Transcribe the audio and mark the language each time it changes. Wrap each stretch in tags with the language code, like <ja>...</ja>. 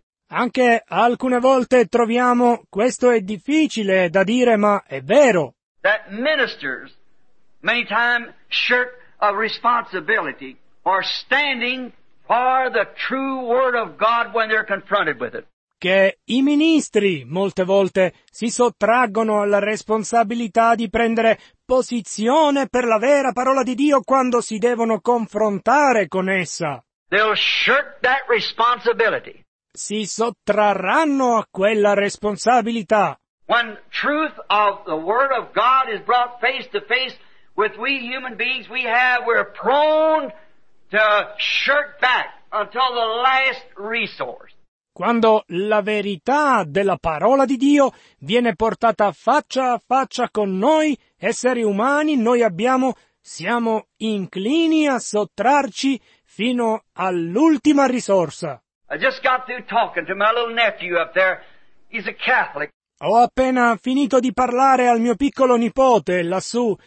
<it>Anche alcune volte troviamo, questo è difficile da dire, ma è vero.</it> <en>That ministers many times shirk a responsibility or standing for the true word of God when they're confronted with it.</en> <it>Che i ministri molte volte si sottraggono alla responsabilità di prendere posizione per la vera parola di Dio quando si devono confrontare con essa.</it> <en>They'll shirk that responsibility.</en> <it>Si sottrarranno a quella responsabilità.</it> <en>When truth of the word of God is brought face to face with we human beings we have, we're prone to shirk back until the last resource.</en> <it>Quando la verità della parola di Dio viene portata faccia a faccia con noi, esseri umani, siamo inclini a sottrarci fino all'ultima risorsa.</it> <en>I just got through talking to my little nephew up there. He's a Catholic.</en> <it>Ho appena finito di parlare al mio piccolo nipote lassù.</it>